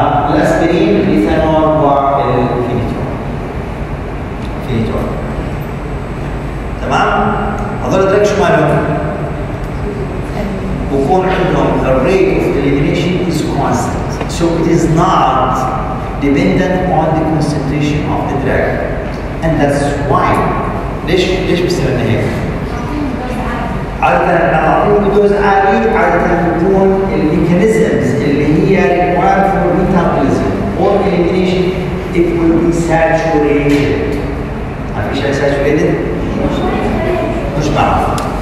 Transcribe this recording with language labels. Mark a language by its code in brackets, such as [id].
[ar] الاسبرين الايثانول والفينيتور. فينيتور تمام؟ هذول الدراج شو مالهم؟ بكون عندهم [en] the rate of elimination is constant. So it is not dependent on the concentration of the drug. And that's why. [ar] ليش بيستعملنا هيك؟ عادةً احنا نعطيهم دوز عالية عادةً تكون الميكانيزمز اللي هي [en] required for metabolism or elimination it will be saturated. [ar] عارف ايش يعني saturated؟ مش معروف.